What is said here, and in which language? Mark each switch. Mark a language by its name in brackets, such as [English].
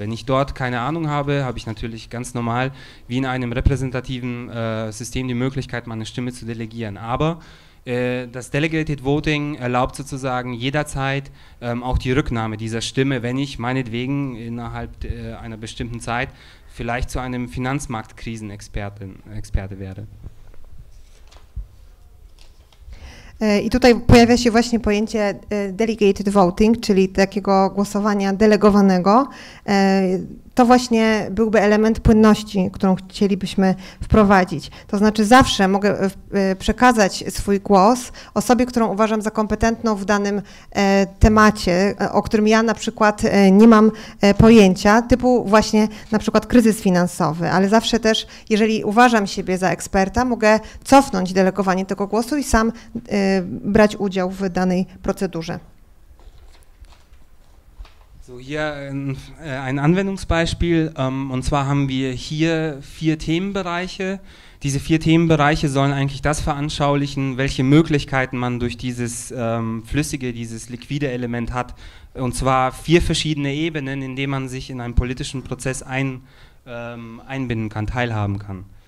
[German] Wenn ich dort keine Ahnung habe, habe ich natürlich ganz normal, wie in einem repräsentativen System, die Möglichkeit, meine Stimme zu delegieren. Aber das Delegated Voting erlaubt sozusagen jederzeit auch die Rücknahme dieser Stimme, wenn ich meinetwegen innerhalb einer bestimmten Zeit vielleicht zu einem Finanzmarktkrisenexperte werde. [Polish] I tutaj pojawia się właśnie pojęcie delegated voting, czyli takiego głosowania delegowanego. To właśnie byłby element płynności, którą chcielibyśmy wprowadzić. To znaczy zawsze mogę przekazać swój głos osobie, którą uważam za kompetentną w danym temacie, o którym ja na przykład nie mam pojęcia, typu właśnie na przykład kryzys finansowy, ale zawsze też, jeżeli uważam siebie za eksperta, mogę cofnąć delegowanie tego głosu i sam brać udział w danej procedurze. [German] So, hier ein Anwendungsbeispiel, und zwar haben wir hier vier Themenbereiche. Diese vier Themenbereiche sollen eigentlich das veranschaulichen, welche Möglichkeiten man durch dieses flüssige, dieses liquide Element hat, und zwar vier verschiedene Ebenen, in denen man sich in einen politischen Prozess einbinden kann, teilhaben kann.